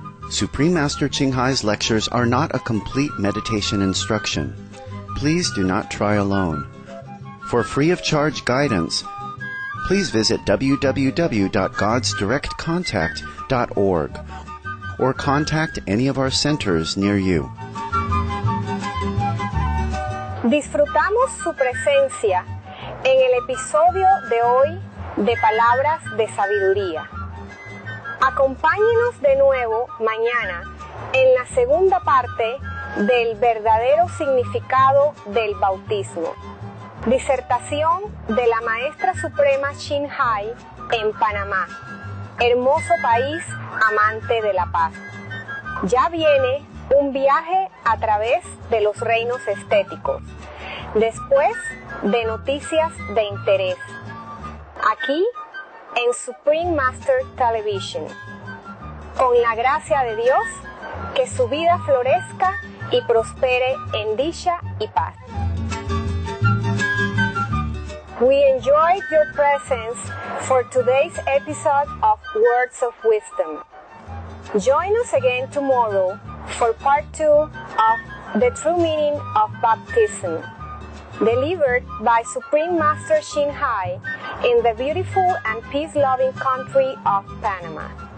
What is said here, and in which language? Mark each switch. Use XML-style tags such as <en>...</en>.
<en>Supreme Master Qinghai's lectures are not a complete meditation instruction. Please do not try alone. For free of charge guidance, please visit www.godsdirectcontact.org or contact any of our centers near you.</en> <es>Disfrutamos su presencia en el episodio de hoy de Palabras de Sabiduría. Acompáñenos de nuevo mañana en la segunda parte del verdadero significado del bautismo. Disertación de la Maestra Suprema Qinghai en Panamá, hermoso país amante de la paz. Ya viene un viaje a través de los reinos estéticos, después de noticias de interés. Aquí en Supreme Master Television. Con la gracia de Dios, que su vida florezca y prospere en dicha y paz.</es> <en>We enjoyed your presence for today's episode of Words of Wisdom. Join us again tomorrow for part 2 of The True Meaning of Baptism. delivered by Supreme Master Xinhai in the beautiful and peace-loving country of Panama.</en>